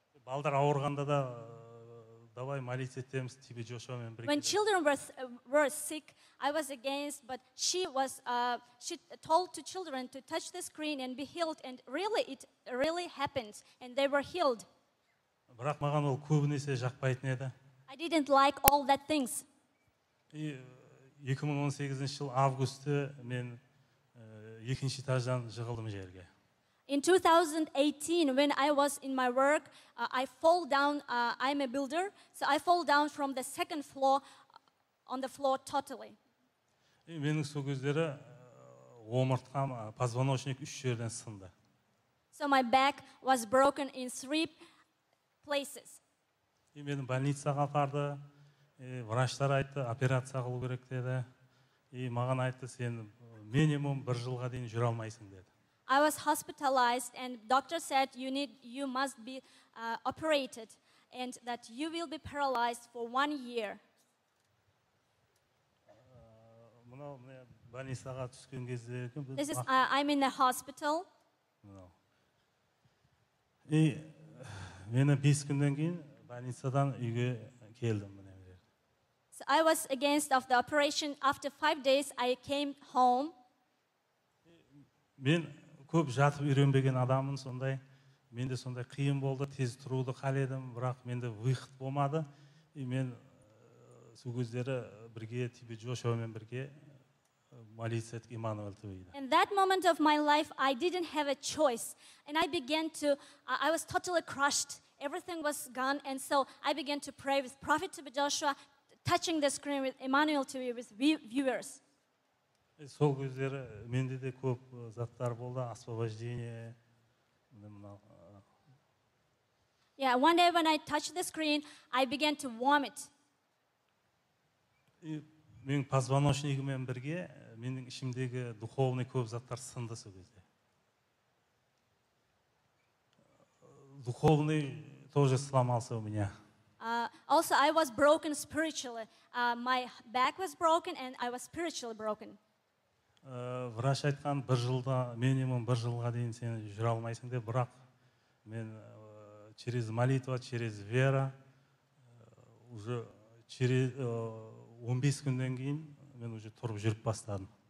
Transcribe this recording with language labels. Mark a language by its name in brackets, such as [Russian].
[Kazakh] Балдар ауырғанда да [Russian] давай молиться [Kazakh] теміз Тиби Джошуа мен бірге. [English] When children were sick, I was against, but she told to children to touch the screen and be healed, and really it really happened and they were healed. [Kazakh] Бірақ маған ол көбінесе жақпайтын еді. [English] I didn't like all that things. [Kazakh] 2018 жыл августы мен екінші этаждан жығылдым жерге. [English] In 2018, when I was in my work, I fall down. I'm a builder, so I fall down from the second floor on the floor totally. [Kazakh] Менің сол кездері омыртқам, позвоночник үш жерден сынды. [English] So my back was broken in three places. [Kazakh] Менің больницаға апарды. Врачтар айтты, операция қылу керек деді. И маған айтты, сен минимум бір жылға дейін жүре алмайсың деді. [English] I was hospitalized and doctor said you must be operated and that you will be paralyzed for 1 year. [Kazakh] Мынау мен больницаға түскен кезде екен. [English] This is I'm in the hospital. [Kazakh] И мені 5 күннен кейін больницадан үйге келдім. [English] So I was against of the operation. After 5 days, I came home. [Kazakh] Мен көп жатып үйренбеген адаммын сондай. Менде сондай қиын болды, тез тұруды қаледім, бірақ менде выход болмады. И мен сол кездері бірге Тиби Джошуамен бірге молиться еттік Emmanuel TV-де. [English] In that moment of my life, I didn't have a choice. And I began to, I was totally crushed. Everything was gone. And so I began to pray with Prophet Tiby Joshua, touching the screen with Emmanuel TV with viewers. [Kazakh] Сол кездері менде де көп заттар болды, освобождение. [English] Yeah, one day when I touched the screen, I began to vomit. [Kazakh] Мен позвоночнигіммен бірге менің ішімдегі духовный көп заттар сынды сол кезде. [Russian] Духовный тоже сломался у меня. [English] Also, I was broken spiritually. My back was broken, and I was spiritually broken. [Kazakh] Врач айтқан бір жылда минимум бір жылға дейін сен жүре алмайсың деп, бірақ мен [Russian] через молитва, через вера уже [Kazakh] через 15 күннен кейін мен уже тұрып жүріп бастадым.